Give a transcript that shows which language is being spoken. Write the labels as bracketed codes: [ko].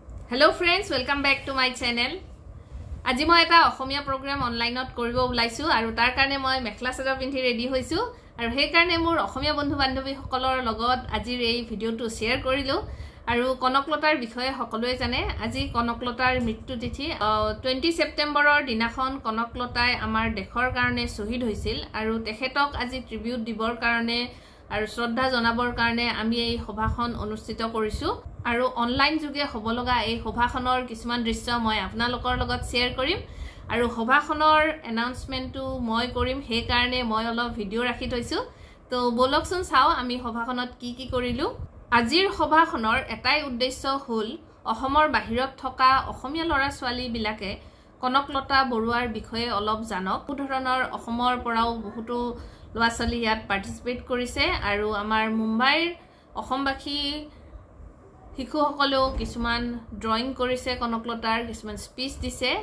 [en] Hello friends, welcome back to my channel. [hi] आज मैं एक [as] অসমীয়া প্রোগ্রাম অনলাইনত কৰিব উলাইছো আৰু তাৰ কাৰণে মই মেখলা চাদৰ পিন্ধি ৰেডি হৈছো আৰু হে কাৰণে মোৰ অসমীয়া বন্ধু বান্ধৱীসকলৰ লগত আজি এই ভিডিঅটো শেয়ার কৰিলো। আৰু কনকলতাৰ বিষয়ে সকলোৱে জানে, আজি কনকলতাৰ মৃত্যু তিথি 20 ছেপ্টেম্বৰৰ দিনাখন কনকলতাই আমাৰ দেশৰ কাৰণে শ্বহীদ হৈছিল আৰু তেখেতক আজি ট্ৰিবিউট দিবৰ কাৰণে আৰু শ্ৰদ্ধা জনাবৰ কাৰণে আমি এই সভাখন অনুষ্ঠিত কৰিছো। আৰু অনলাইন যোগে হবলগা এই সভাখনৰ কিছুমান দৃশ্য মই আপোনালোকৰ লগত শ্বেয়াৰ কৰিম আৰু সভাখনৰ এনাউন্সমেণ্টটো মই কৰিম, সেইকাৰণে মই অলপ ভিডিঅ' ৰাখি থৈছোঁ। তো বলকচোন চাওঁ আমি সভাখনত কি কি কৰিলোঁ। আজিৰ সভাখনৰ এটাই উদ্দেশ্য হ'ল অসমৰ বাহিৰত থকা অসমীয়া ল'ৰা ছোৱালীবিলাকে কনকলতা বৰুৱাৰ বিষয়ে অলপ জানক। বহু ধৰণৰ অসমৰ পৰাও বহুতো ল'ৰা ছোৱালী ইয়াত পাৰ্টিচিপেট কৰিছে আৰু আমাৰ মুম্বাইৰ অসমবাসী শিশুসকলেও কিছুমান ড্ৰয়িং কৰিছে কনকলতাৰ, কিছুমান স্পীচ দিছে।